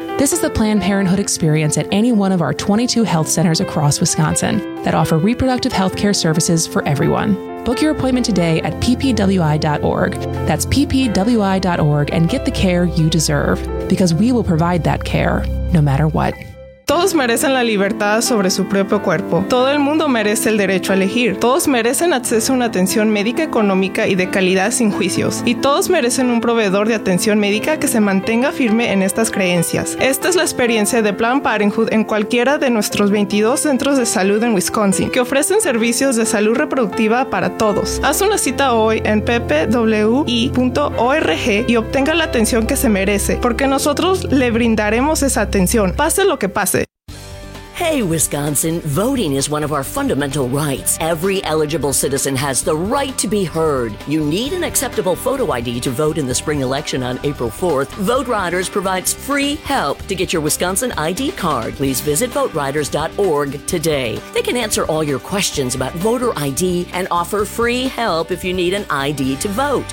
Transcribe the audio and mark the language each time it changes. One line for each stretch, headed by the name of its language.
English: This is the Planned Parenthood experience at any one of our 22 health centers across Wisconsin that offer reproductive health care services for everyone. Book your appointment today at ppwi.org. That's ppwi.org, and get the care you deserve, because we will provide that care no matter what.
Spanish: Todos merecen la libertad sobre su propio cuerpo. Todo el mundo merece el derecho a elegir. Todos merecen acceso a una atención médica económica y de calidad sin juicios. Y todos merecen un proveedor de atención médica que se mantenga firme en estas creencias. Esta es la experiencia de Planned Parenthood en cualquiera de nuestros 22 centros de salud en Wisconsin, que ofrecen servicios de salud reproductiva para todos. Haz una cita hoy en ppwi.org y obtenga la atención que se merece, porque nosotros le brindaremos esa atención, pase lo que pase.
English: Hey, Wisconsin, voting is one of our fundamental rights. Every eligible citizen has the right to be heard. You need an acceptable photo ID to vote in the spring election on April 4th. Vote Riders provides free help to get your Wisconsin ID card. Please visit voteriders.org today. They can answer all your questions about voter ID and offer free help if you need an ID to vote.